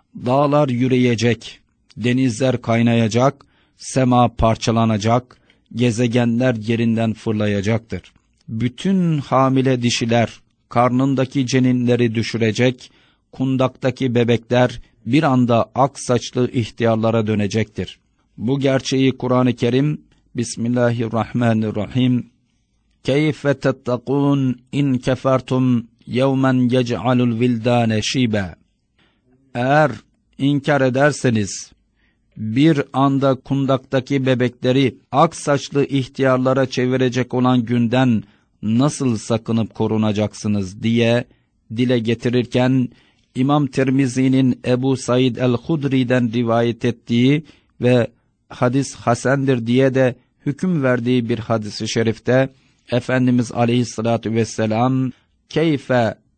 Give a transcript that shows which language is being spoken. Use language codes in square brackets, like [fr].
[tr] Dağlar yürüyecek, denizler kaynayacak, sema parçalanacak, gezegenler yerinden fırlayacaktır. Bütün hamile dişiler karnındaki ceninleri düşürecek, kundaktaki bebekler bir anda ak saçlı ihtiyarlara dönecektir. Bu gerçeği Kur'an-ı Kerim [ar] بسم الله الرحمن الرحيم كيف تتقون إن كفرتم يوما يجعل الولدان شيبا [tr] Eğer inkar ederseniz bir anda kundaktaki bebekleri ak saçlı ihtiyarlara çevirecek olan günden nasıl sakınıp korunacaksınız diye dile getirirken İmam Tirmizi'nin Ebu Said el-Hudri'den rivayet ettiği ve hadis hasendir diye de hüküm verdiği bir hadis-i şerifte Efendimiz aleyhissalatü vesselam keyfe